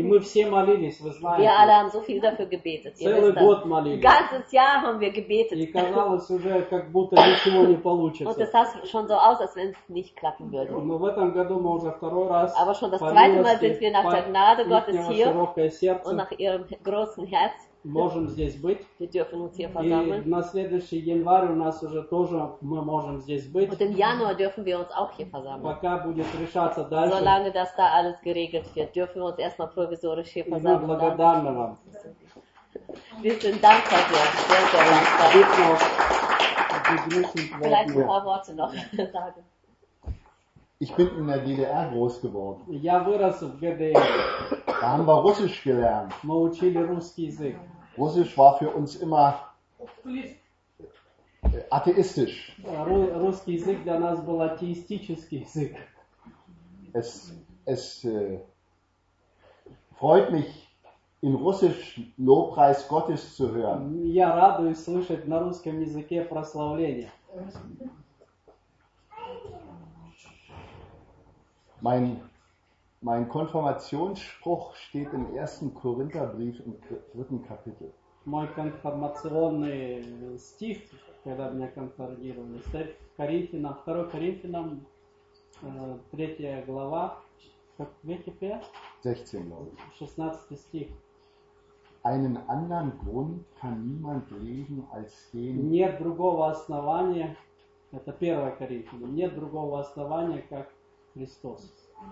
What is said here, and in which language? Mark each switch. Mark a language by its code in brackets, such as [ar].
[de] Wir alle haben so viel dafür gebetet. Ein ganzes Jahr haben wir gebetet. Und es sah schon so aus, als wenn es nicht klappen würde. Aber schon das zweite Mal sind wir nach der Gnade Gottes hier und nach ihrem großen Herz. [ru] Можем здесь быть. [de] Wir dürfen uns hier versammeln. [ru] И на следующий январь у нас уже тоже мы можем здесь быть. [de] Und im Januar dürfen wir uns auch hier versammeln. [ru] Пока будет решаться дальше. [de] Solange das da alles geregelt wird, dürfen wir uns erstmal provisorisch hier versammeln. [ru] И мы благодарны вам. [de] Wir sind dankbar, sehr, sehr dankbar. begrüßend worden. Vielleicht ein paar Worte noch sagen. Ich bin in der DDR groß geworden. [ru] Я вырос в ГДР. [de] Da haben wir Russisch gelernt. [ru] Мы учили русский язык. [de] Russisch war für uns immer atheistisch. [ru] Русский язык для нас был атеистический язык. [de] Es freut mich, in Russisch Lobpreis Gottes zu hören. [ru] Я радуюсь слышать на русском языке прославление. [de] Mein Konfirmationsspruch steht im 1. Korintherbrief im 3. Kapitel. [ru] Мой конфирмационный стих, когда меня конфирмировали, стоит в Коринфянам, 2 Коринфянам, 3 глава, Википедия? [de] 16, glaube ich. [ru] 16 стих. [de] Einen anderen Grund kann niemand legen als den... [ru] Нет другого основания, это 1 Коринфянам, нет другого основания, как Христос.